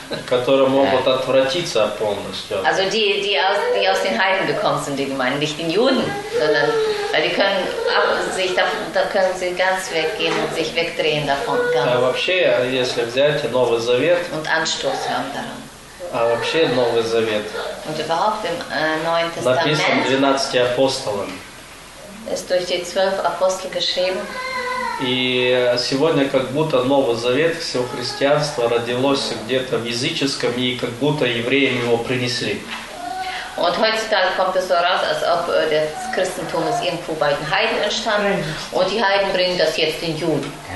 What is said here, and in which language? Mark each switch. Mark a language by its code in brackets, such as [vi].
[ru] Которые могут отвратиться полностью. [de] Also die aus den Heiden gekommen sind, die Gemeinden, nicht den Juden, sondern weil die können sich da können sie ganz weggehen und sich wegdrehen davon. Ganz. [ru] Вообще, если взять Новый Завет. [de] Und Anstoß haben daran. [ru] А вообще Новый Завет. [de] Und überhaupt im Neuen Testament. [ru] Написан 12 апостолами. [de] Ist durch die 12 Apostel geschrieben. [ru] И сегодня как будто Новый Завет, все христианство родилось где-то в языческом, и как будто евреям его принесли. [de] Und heutzutage kommt es so raus, als ob das Christentum ist irgendwo bei den Heiden entstanden und die Heiden bringen das jetzt den Juden.